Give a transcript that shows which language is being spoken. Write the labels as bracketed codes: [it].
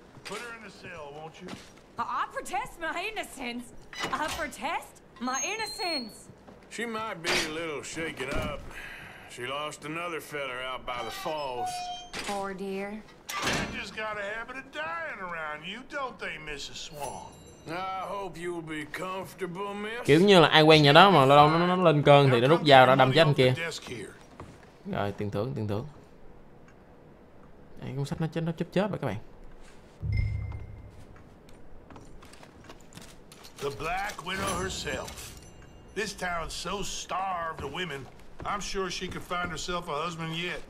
[en] Put her in the cell, won't you? I protest my innocence. I protest. My innocence. She might be a little shaken up. She lost another feller out by the falls. Poor dear. They just got a habit of dying around you, don't they, Mrs. Swan? I hope you'll be comfortable, miss. [vi] Kiểu như là ai quen nhà đó mà lâu lâu nó lên cơn thì nó rút dao ra đâm chết anh kia. Rồi tiền thưởng. Đây cuốn sách nó chết, nó chớp chớp rồi các bạn. [en] The Black Widow herself. This town's so starved of women, I'm sure she could find herself a husband yet.